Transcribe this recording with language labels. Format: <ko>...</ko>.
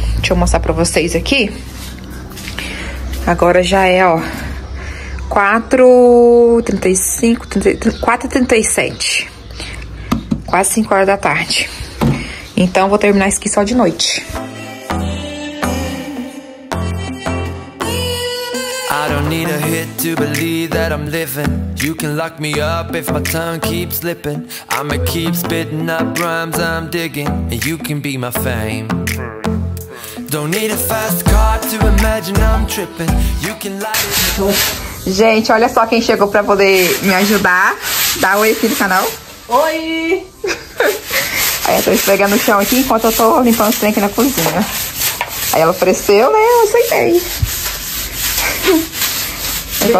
<pt>Deixa eu mostrar pra vocês aqui. Agora já é, ó. 4h35, 4h37. Quase 5 horas da tarde. Então, vou terminar isso aqui só de noite.</pt> <en>I don't need a hit to believe that I'm living. You can lock me up if my tongue keeps slipping. I'ma keep spitting up rhymes I'm digging. And you can be my fame. Don't need a fast car to imagine I'm tripping. You can light it up.</en> <pt>Gente, olha só quem chegou pra poder me ajudar. Dá um oi aqui no canal. Oi! Aí eu tô esfregando o chão aqui enquanto eu tô limpando os trem aqui na cozinha. Aí ela apareceu, né? Eu aceitei. Se não</pt>